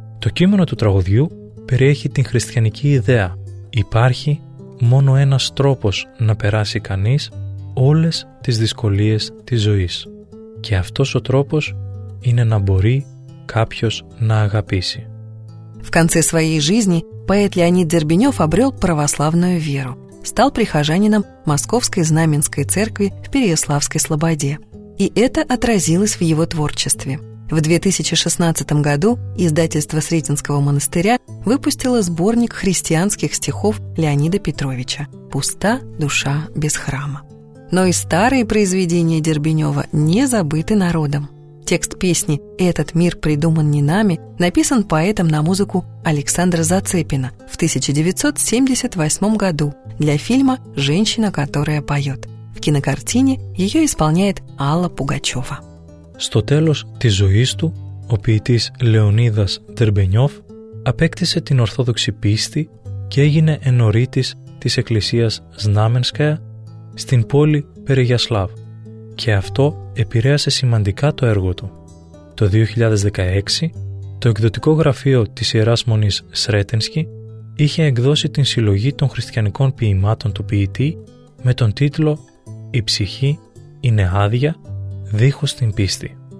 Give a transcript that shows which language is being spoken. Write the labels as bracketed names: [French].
[Greek] Το κείμενο του τραγουδιού περιέχει την χριστιανική ιδέα. Υπάρχει μόνο ένας τρόπος να περάσει κανείς όλες τις δυσκολίες της ζωής. Και αυτός ο τρόπος είναι να μπορεί κάποιος να αγαπήσει. [Russian] В конце своей жизни поэт Леонид Дербенев обрел православную веру, стал прихожанином Московской Знаменской Церкви в Переяславской Слободе. И это отразилось в его творчестве. В 2016 году издательство Сретенского монастыря выпустило сборник христианских стихов Леонида Петровича «Пуста душа без храма». Но и старые произведения Дербенева не забыты народом. Текст песни «Этот мир придуман не нами» написан поэтом на музыку Александра Зацепина в 1978 году для фильма «Женщина, которая поет». В кинокартине ее исполняет Алла Пугачева. [Greek] Στο τέλος της ζωής του, ο ποιητής Λεωνίδας Δερμπενιόφ απέκτησε την ορθόδοξη πίστη και έγινε ενωρίτης της εκκλησίας Σνάμενσκαια στην πόλη Περιγιασλάβ. Και αυτό επηρέασε σημαντικά το έργο του. Το 2016, το εκδοτικό γραφείο της Ιεράς Μονής Σρέτενσκι είχε εκδώσει την συλλογή των χριστιανικών ποιημάτων του ποιητή με τον τίτλο «Η ψυχή είναι άδεια, δίχως την πίστη».